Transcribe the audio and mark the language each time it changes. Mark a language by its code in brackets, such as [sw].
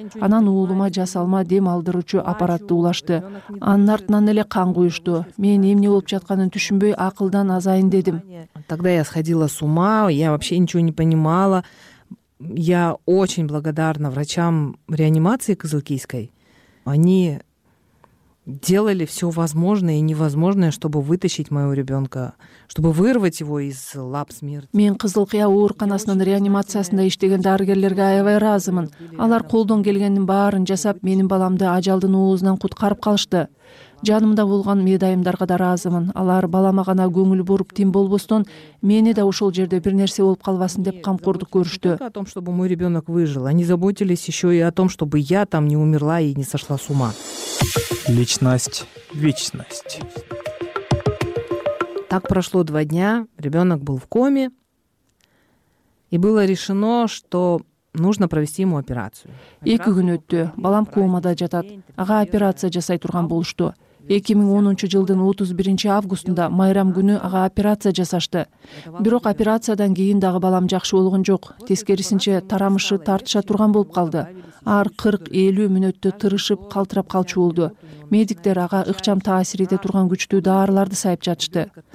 [ky] Анан уулума жасалма дем алдыруучу аппаратты улашты. Анын артынан эле кан куюшту. Мен эмне болуп жатканын түшүнбөй акылдан азайын дедим. [ru] Тогда я сходила с ума, я вообще ничего не понимала. Я очень благодарна врачам реанимации Кызылкийской. Они делали все возможное и невозможное, чтобы вытащить моего ребенка, чтобы вырвать его из лап смерти. [ky] Мен Кызылкыя ооруканасынын реанимациясында иштеген дарыгерлерге аябай ыраазымын. Алар колдон келгендин баарын жасап, менин баламды ажалдын оозунан куткарып калышты. Жанымда болгон медайымдарга да ыраазымын. Алар балама гана көңүл буруп тең болбостон, мени да ушул жерде бир нерсе болуп калбасын деп камкордук көрүштү. [ru] О том, чтобы мой ребенок выжил. Они заботились еще и о том, чтобы я там не умерла и не сошла с ума. Личность, вечность. Так прошло 2 дня, ребенок был в коме, и было решено, что нужно провести ему операцию. [ky] 2 күн өттү, балам комада жатат. Ага операция жасай турган болушту. 2010 жылдын 31 августунда майрам күнү ага операция жасашты. Бирок операциядан кийин дагы балам жакшы болгон жок. Тескерисинче тарамышы тартыша турган болуп калды. Ар 40-50 мүнөттө тырышып калтырап калчу болду. Медиктер ага ыкчам таасир эте турган күчтүү дарыларды сайып жатышты.